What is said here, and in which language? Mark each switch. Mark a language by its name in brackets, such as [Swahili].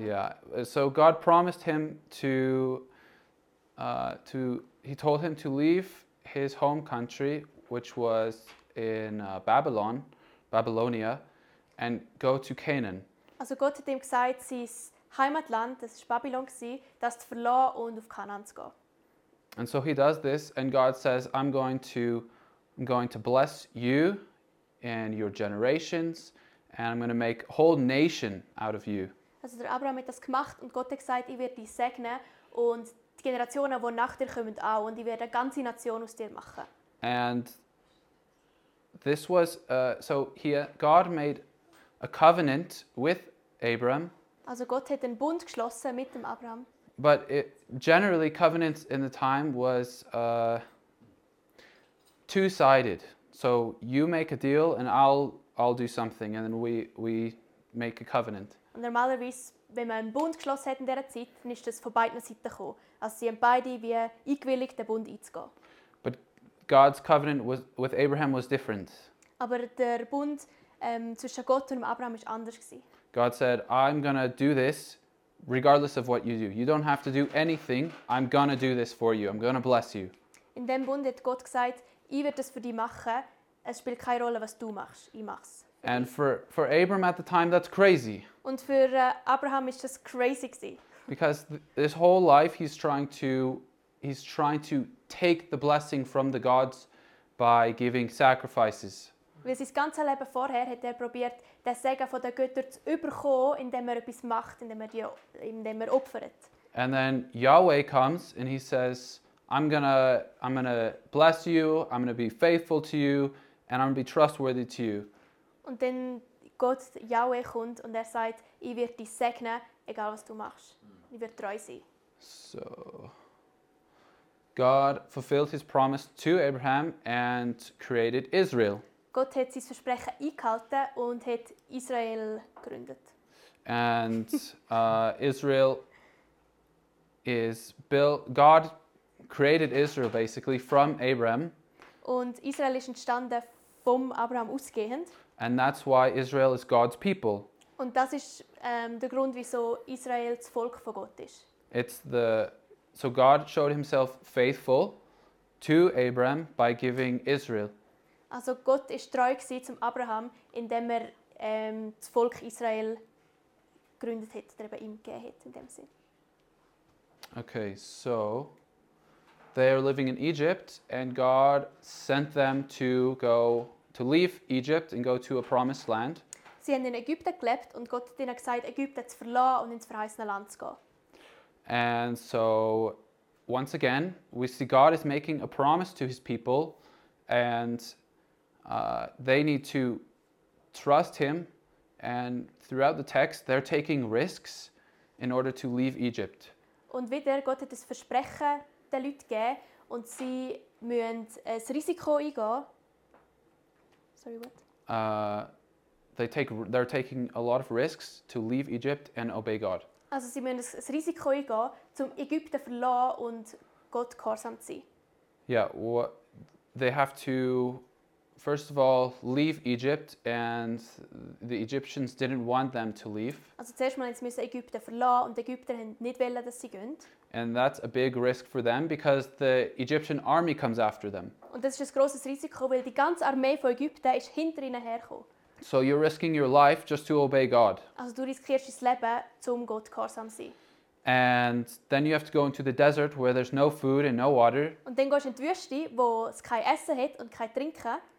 [English] Yeah, so God promised him he told him to leave his home country, which was in Babylonia, and go to Canaan. [German] Also Gott hat ihm gesagt, sein Heimatland, das war Babylon, das zu verlassen und auf Kanan zu gehen. [English] And so he does this, and God says, I'm going to bless you and your generations, and I'm going to make a whole nation out of you. [German] Also der Abraham hat das gemacht, und Gott hat gesagt, ich werde dich segnen, und die Generationen, die nach dir kommen, auch, und ich werde eine ganze Nation aus dir machen. [English] And this was so here God made a covenant with Abram. [German] Also Gott hat einen Bund geschlossen mit dem Abraham. [English] But it, generally covenants in the time was two-sided. So you make a deal and I'll do something and then we make a covenant. [German] Und normalerweise, wenn man einen Bund geschlossen hat in dieser Zeit, dann ist das von beiden Seiten gekommen. Also sie haben beide wie eingewilligt, den Bund einzugehen. [English] God's covenant with Abraham was different. [German] Aber der Bund zwischen Gott und Abraham ist anders gewesen. [English] God said, I'm going to do this regardless of what you do. You don't have to do anything. I'm going to do this for you. I'm going to bless you. [German] In dem Bund hat Gott gesagt, ich werde das für dich machen, Es spielt keine Rolle, was du machst. Ich mach's. [English] And for Abram at the time, that's crazy. [German] Und für Abraham ist das crazy gewesen. [English] Because this whole life he's trying to take the blessing from the gods by giving sacrifices. [German] Weil sein ganzes Leben vorher hat er probiert, den Segen von den Göttern zu überkommen, indem er etwas macht, indem er opfert. [English] And then Yahweh comes and he says, I'm gonna bless you, I'm gonna be faithful to you, and I'm gonna be trustworthy to you. [German] Und dann Gott Yahweh kommt und er sagt, ich werde dich segnen, egal was du machst. Ich werde treu sein. [English] So God fulfilled his promise to Abraham and created Israel. [German] Gott hat sein Versprechen eingehalten und hat Israel gegründet. [English] And Israel is built. God created Israel basically from Abraham. [German] Und Israel ist entstanden vom Abraham ausgehend. [English] And that's why Israel is God's people. [German] Und das ist der Grund, wieso Israel das Volk von Gott ist. [English] So God showed himself faithful to Abraham by giving Israel. [German] Also Gott ist treu gsi zum Abraham, indem er das Volk Israel gegründet hat, oder eben ihm gegeben hat in dem Sinn. [English] Okay, so they are living in Egypt and God sent them to leave Egypt and go to a promised land. [German] Sie haben in Ägypten gelebt und Gott hat ihnen gesagt, Ägypten zu verlassen und ins verheißene Land zu gehen. [English] And so once again, we see God is making a promise to his people and they need to trust him, and throughout the text they're taking risks in order to leave Egypt. [German] Und wieder Gott hat das Versprechen den Leuten gegeben und sie müssen ein Risiko eingehen. [English] Sorry, what? They're taking a lot of risks to leave Egypt and obey God. [German] Also sie müssen ein Risiko eingehen, zum Ägypten verlassen und Gott gehorsam zu sein. [English] Yeah, they have to first of all leave Egypt, and the Egyptians didn't want them to leave. [German] Also zuerst mal jetzt müssen Ägypten verlassen und die Ägypter haben nicht wollen, dass sie gehen. [English] And that's a big risk for them because the Egyptian army comes after them. [German] Und das ist ein grosses Risiko, weil die ganze Armee von Ägypten ist hinter ihnen hergekommen. [English] So you're risking your life just to obey God. [German] Also du riskierst dein Leben, um Gott gehorsam zu sein. [English] And then you have to go into the desert where there's no food and no water. [German] Und dann gehst du in die Wüste, wo es kein Essen hat und kein Trinken.